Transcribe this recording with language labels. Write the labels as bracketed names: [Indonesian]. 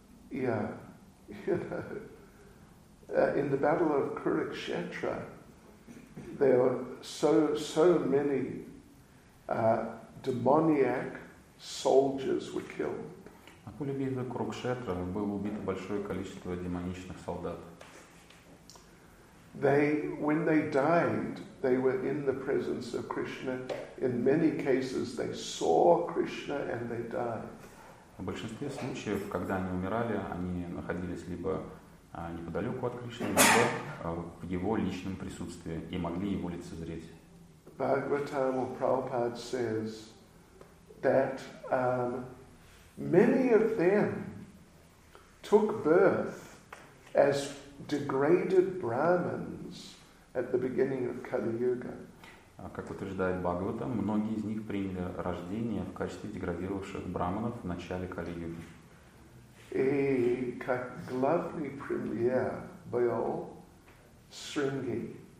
[English] Yeah, you know, in the battle of Kurukshetra, there were so many demoniac soldiers were killed. [Russian] На поле битвы Курукшетра было убито большое количество демоничных солдат. [English] They, when they died, they were in the presence of Krishna. In many cases, they saw Krishna and they died. [Russian] В большинстве случаев, когда они умирали, они находились либо неподалеку от Кришны, либо в его личном присутствии и могли его лицезреть. [English] Bhagavatam or Prabhupada says that many of them took birth as degraded Brahmins at the beginning of Kali Yuga. [Russian] Как утверждает Бхагавата, многие из них приняли рождение в качестве деградировавших брахманов в начале Кали-юги. И как главный премьер был Сринги.